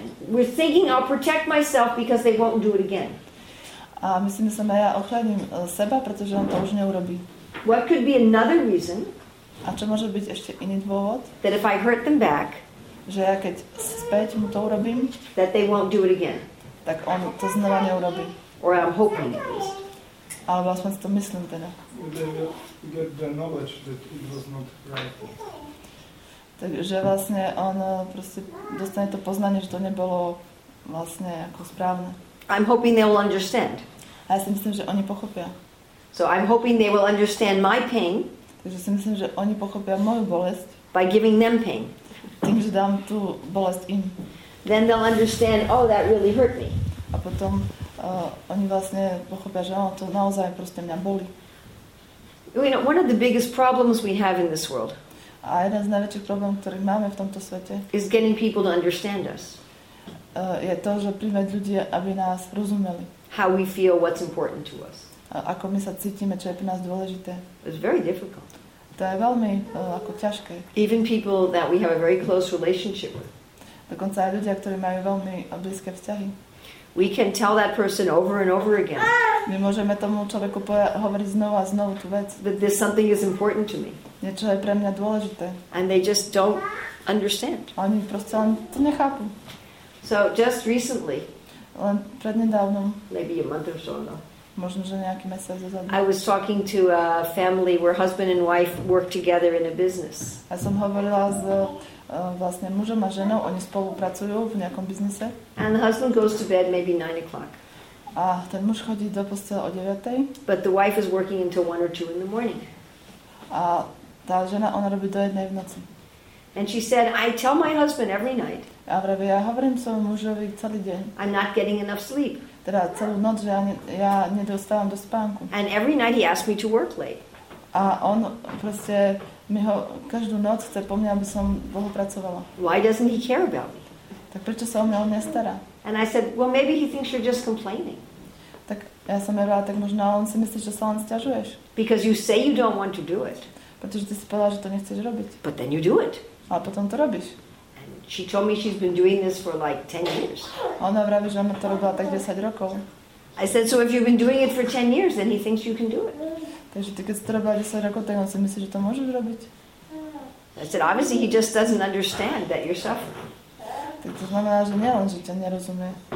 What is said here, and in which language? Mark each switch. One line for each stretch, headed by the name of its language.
English: We're thinking I'll protect myself because they won't do it again.
Slovak: A my si myslíme, ja ochránim seba, pretože on to už neurobí.
English: What could be another reason?
Slovak: A čo môže byť ešte iný dôvod?
English: That if I hurt them back,
Slovak: že ja keď späť mu to urobím,
English: that they won't do it again.
Slovak: Tak on to znova neurobí.
English: Or I'm hoping at least.
Slovak: Alebo aspoň to myslím teda.
English: Get the knowledge that it was not right.
Slovak: Takže vlastne on proste dostane to poznanie, že to nebolo vlastne ako správne.
English: I'm hoping they will understand.
Slovak: A ja si myslím, že oni pochopia.
English: So I'm hoping they will understand my pain.
Slovak: Takže si myslím, že oni pochopia moju bolesť.
English: By giving them pain.
Slovak: Tým, že dám tú bolesť im.
English: Then they'll understand, oh, that really hurt me.
Slovak: A potom oni vlastne pochopia, že to naozaj proste mňa bolí.
English: You know, one of the biggest problems we have in this world.
Slovak: A jeden z najväčších problémov, ktorý máme v tomto svete.
English: Is getting people to understand us.
Slovak: Je to, že prijmeť ľudia, aby nás rozumeli.
English: How we feel, what's important to us.
Slovak: Ako my sa cítime, čo je pre nás dôležité.
English: It's very difficult.
Slovak: To je veľmi ako ťažké.
English: Even people that we have a very close relationship with.
Slovak: Dokonca aj ľudia, ktorí majú veľmi blízke vzťahy.
English: We can tell that person over and over again.
Slovak: My môžeme tomu človeku hovoriť znova a znova tú vec.
English: That this something is important to me.
Slovak: Niečo je pre mňa dôležité.
English: And they just don't understand.
Slovak: Oni proste to nechápu.
English: So just recently,
Slovak: len prednedávnom,
English: maybe a month or so ago,
Slovak: možno že nejaký mesiac dozadu,
English: I was talking to a family where husband and wife work together in a business.
Slovak: A som hovorila s vlastne mužom a ženou, oni spolupracujú v nejakom biznise.
English: And the husband goes to bed maybe 9 o'clock.
Slovak: A ten muž chodí do postele o 9.
English: But the wife is working until 1 or 2 in the morning.
Slovak: A tá žena, ona robí do jednej v noci.
English: And she said, I tell my husband every night.
Slovak: A vraví, ja hovorím svojmu mužovi celý deň.
English: I'm not getting enough sleep.
Slovak: Teda celú noc, že ja nedostávam do spánku.
English: And every night he asked me to work late.
Slovak: A on proste mi ho každú noc chce po mne, aby som dlho pracovala.
English: Why doesn't he care about me?
Slovak: Tak prečo sa o mňa nestará?
English: And I said, well, maybe he thinks you're just complaining.
Slovak: Tak ja som mi vrala, tak možno on si myslí, že sa len sťažuješ.
English: Because you say you don't want to do it.
Slovak: Pretože ty si povedal, že to nechceš robiť.
English: But then you do it.
Slovak: A potom to robíš.
English: She told me she's been doing this for like 10 years.
Slovak: Ona vraví, že ona to robila tak 10 rokov.
English: I said, so if you've been doing it for 10 years, then he thinks you can do it.
Slovak: Takže ty, keď si to robila 10 rokov, tak on si myslí, že to môžeš robiť.
English: I said, obviously he just doesn't understand that you're suffering.
Slovak: Tak to znamená, že nie len, že ťa nerozumie.